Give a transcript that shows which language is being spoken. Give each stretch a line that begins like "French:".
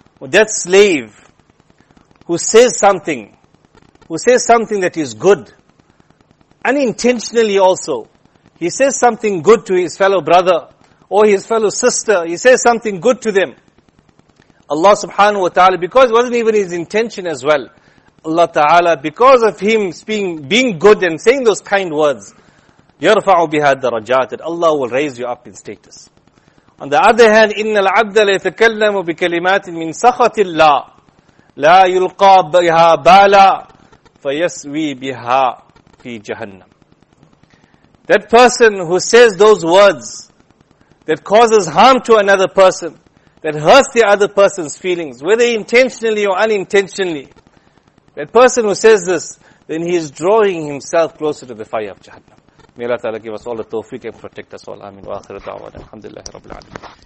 English: That slave who says something that is good, unintentionally also, he says something good to his fellow brother or his fellow sister, he says something good to them. Allah subhanahu wa ta'ala, because it wasn't even his intention as well, Allah ta'ala, because of him being good and saying those kind words,
Arabic: يَرْفَعُ بِهَا الدَّرَجَاتِ,
English: Allah will raise you up in status. On the other hand,
Arabic: إِنَّ الْعَبْدَ لَيْتَكَلَّمُ بِكَلِمَاتٍ مِّن سَخَطِ اللَّهِ لَا يُلْقَى بِهَا بَالًا فَيَسْوِي بِهَا فِي جَهَنَّمِ.
English: That person who says those words that causes harm to another person, that hurts the other person's feelings, whether intentionally or unintentionally, that person who says this, then he is drawing himself closer to the fire of Jahannam. May Allah Ta'ala give us all the tawfiq and protect us all. Ameen.
Arabic: Wa akhiru da'wana. Alhamdulillahi Rabbil Alameen.